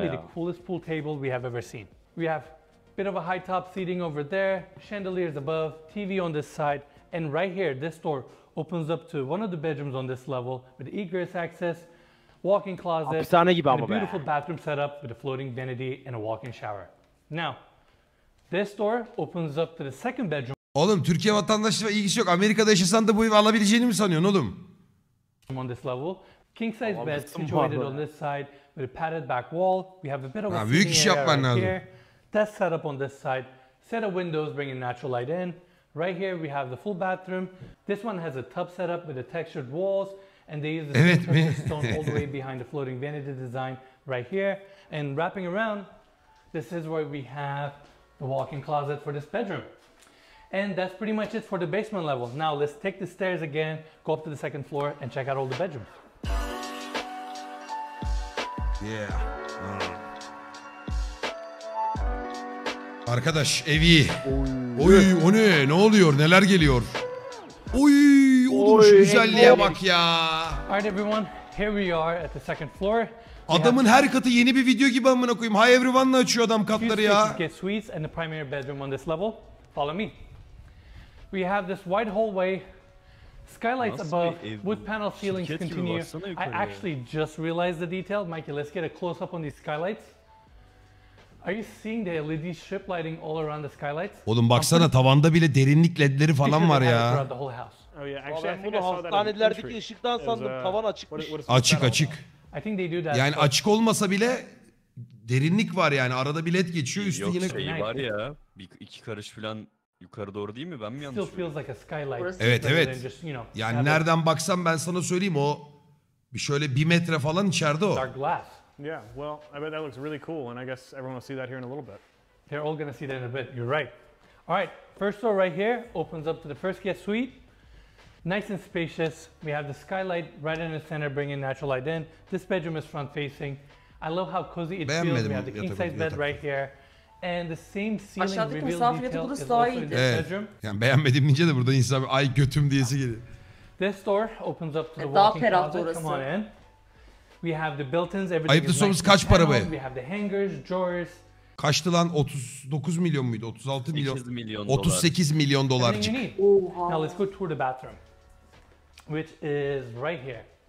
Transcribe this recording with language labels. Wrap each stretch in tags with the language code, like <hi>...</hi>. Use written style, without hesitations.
<en>Probably the coolest pool table we have ever seen. We have a bit of a high top seating over there, chandeliers above, TV on this side, and right here, this door opens up to one of the bedrooms on this level with egress access. Walk-in closet,</en> <tr>hapishane gibi ama</tr> <en>a beautiful bathroom setup with a floating vanity and a walk-in shower. Now, this door opens up to the second bedroom.</en> <tr>Oğlum, Türkiye vatandaşlığı ilgisi yok. Amerika'da yaşasan da bu evi alabileceğini mi sanıyorsun oğlum?</tr> <en>On this level, king size bed situated on this side with a padded back wall. We have a bit of a</en> <tr>büyük iş yapman</tr> <en>right</en> <tr>lazım.</tr> <en>Here. Desk setup on this side, set of windows bringing natural light in. Right here we have the full bathroom. This one has a tub setup with a textured walls. And they use evet, the stone all the way behind the floating vanity design right here. And wrapping around, this is where we have the walk-in closet for this bedroom. And that's pretty much it for the basement level. Now let's take the stairs again, go up to the second floor and check out all the bedrooms. Yeah.</en> <tr>Arkadaş, ev iyi. Oy. Oy, o ne? Ne oluyor? Neler geliyor? Oy. Oy, güzelliğe bak ya.</tr> <en>All right everyone, here we are at the second floor.</en> <tr>Adamın her katı yeni bir video gibi amına koyayım.</tr> <en>Hi everyone'la</en> <tr>açıyor adam katları ya.</tr> <en>Get suites and the primary bedroom on this level. Follow me. We have this wide hallway, Skylights nasıl above, wood panel ceilings continue. I actually just realized the detail. Mikey, let's get a close up on these skylights. Are you seeing the LED strip lighting all around the skylights?</en> <tr>Oğlum baksana tavanda bile derinlik ledleri falan var ya. Oh yeah, bunu hastanelerdeki ışıktan sandım tavan açıkmış. Açık açık.</tr> <en>I think they do that.</en> <tr>Yani açık olmasa bile derinlik var yani arada bir led geçiyor üstü yok, yine şey var ya. Bir iki karış falan yukarı doğru değil mi? Ben mi yanlış biliyorum? Like evet evet.</tr> <en>Just, you know,</en> <tr>yani</tr> <en>habit.</en> <tr>Nereden baksam ben sana söyleyeyim o bir şöyle bir metre falan içeride o.</tr> <en>Yeah, well, I bet that looks really cool, and I guess everyone will see that here in a little bit. They're all gonna see that in a bit, you're right. All right, first floor right here opens up to the first guest suite. Nice and spacious. We have the skylight right in the center, bringing natural light in. This bedroom is front-facing. I love how cozy it feels. We have the king-size bed right here. And the same ceiling reveal detail is also in this bedroom.</en> <tr>Yani beğenmedim deyince de burada insan ay götüm diyesi geliyor.</tr> <en>This door opens up to the walk-in closet. Come on in. We have the built-ins, everything.</en> <tr>Ayıp sorumuz nice. Kaç para be?</tr> <en>We have the hangers, drawers.</en> <tr>Kaçtı lan 39 milyon muydu? 36 milyon. 38 milyon dolar. Oha.</tr> <en>Now let's go tour the bathroom. Which is right here.</en>